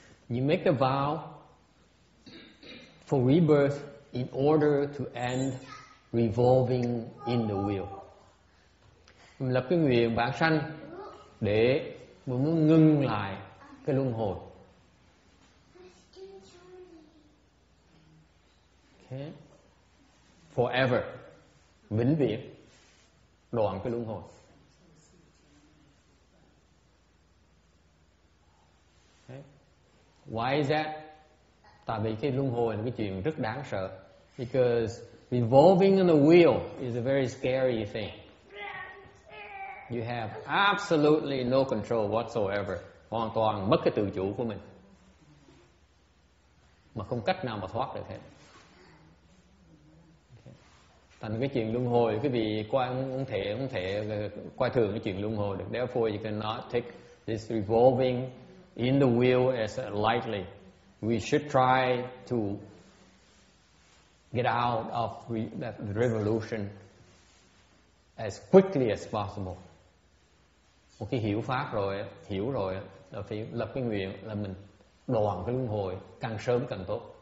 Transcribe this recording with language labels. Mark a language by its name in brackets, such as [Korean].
[English] You make a vow for rebirth in order to end revolving in the wheel. [Vietnamese] Mình lập cái nguyện vãng sanh để mình muốn ngưng lại cái luân hồi. Forever, vĩnh viễn, đoạn cái luân hồi. [English] Why is that? [Vietnamese] Tại vì cái luân hồi là cái chuyện rất đáng sợ. [English] Because revolving in the wheel is a very scary thing. You have absolutely no control whatsoever [Vietnamese] hoàn toàn mất cái tự chủ của mình, mà không cách nào mà thoát được hết. Thành cái chuyện luân hồi, cái vị quan không thể coi thường cái chuyện luân hồi được. [English] Therefore you cannot take this revolving in the wheel as lightly. We should try to get out of that revolution as quickly as possible. [Vietnamese] Một khi hiểu pháp rồi, hiểu rồi là phải lập cái nguyện là mình đoạn cái luân hồi càng sớm càng tốt.